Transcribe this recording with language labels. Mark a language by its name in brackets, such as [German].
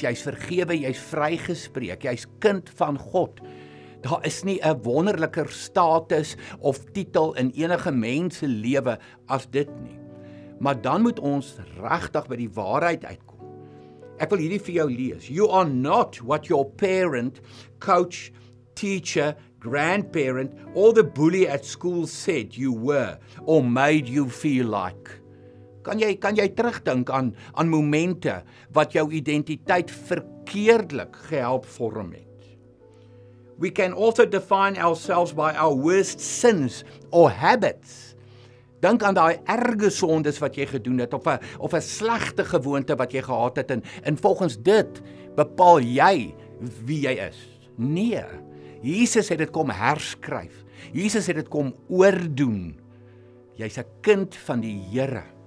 [Afrikaans] Jy's vergewe, jy's vrygespreek, jy's kind van God. Daar is nie 'n wonderliker status of titel in enige mens se lewe as dit nie. Maar dan moet ons regtig by die waarheid uitkom. Ek wil hierdie vir jou lees. [English] You are not what your parent, coach, teacher, grandparent, or the bully at school said you were or made you feel like. [Afrikaans] Kan jy terugdink aan momente wat jou identiteit verkeerdelik gehelp vorm het? [English] We can also define ourselves by our worst sins or habits. [Afrikaans] Dink aan daai erge sondes wat jy gedoen het of 'n slegte gewoonte wat jy gehad het en volgens dit bepaal jy wie jy is. Nee. Jesus het dit kom herskryf. Jesus het dit kom oordoen. Jy's 'n kind van die Here.